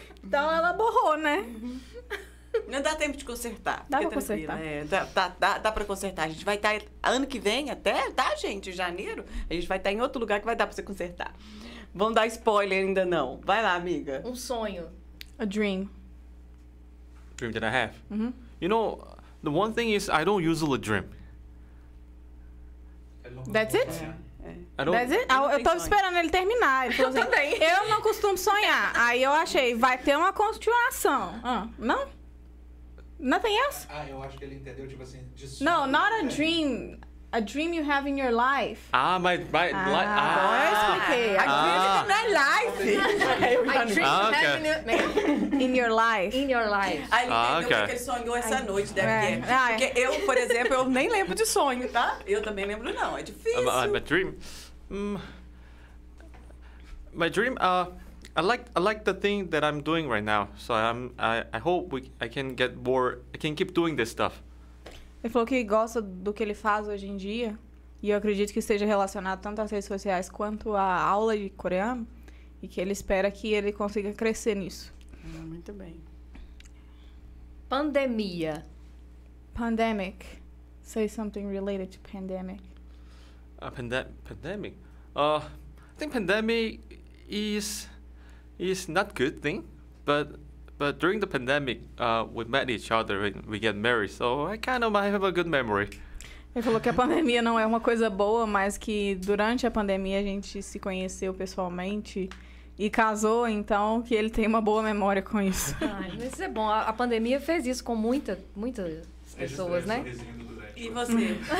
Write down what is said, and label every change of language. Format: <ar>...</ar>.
<pt>Então ela borrou, né? Não dá tempo de consertar. Dá pra consertar. É, dá pra consertar. A gente vai estar ano que vem até, tá, gente? Janeiro, a gente vai estar em outro lugar que vai dar pra você consertar. Vamos dar spoiler ainda não. Vai lá, amiga. Um sonho.</pt> <en>A dream. dream that I have. Mm-hmm. You know, the one thing is I don't usually dream. That's it?</en> <pt>Eu tô esperando ele terminar. Eu também. Eu não costumo sonhar. Aí eu achei, vai ter uma continuação. Não?</pt> <en>Nothing else?</en> <pt>Ah, eu acho que ele entendeu, tipo assim...</pt> <en>No, not a dream. A dream you have in your life. Ah, my...</en> <pt>Agora eu expliquei.</pt> <en>A dream in my life. In your life. In your life.</en> <pt>Aí ele entendeu porque ele sonhou essa noite, deve ter. Porque eu, por exemplo, eu nem lembro de sonho, tá? Eu também lembro não, é difícil.</pt> <en>My dream... my dream... I like the thing that I'm doing right now. So I hope I can get more. I can keep doing this stuff.</en> <pt>Ele falou que gosta do que ele faz hoje em dia, e eu acredito que esteja relacionado tanto às redes sociais quanto à aula de coreano, e que ele espera que ele consiga crescer nisso. Muito bem. Pandemia.</pt> <en>Pandemic. Say something related to pandemic. Pandemic. I think pandemic is not good thing, but during the pandemic, we met each other and we get married, so I kind of might have a good memory.</en> <pt>Ele falou que a pandemia não é uma coisa boa, mas que durante a pandemia a gente se conheceu pessoalmente e casou, então que ele tem uma boa memória com isso. Ai, isso é bom. A pandemia fez isso com muitas pessoas, né? E você?</pt>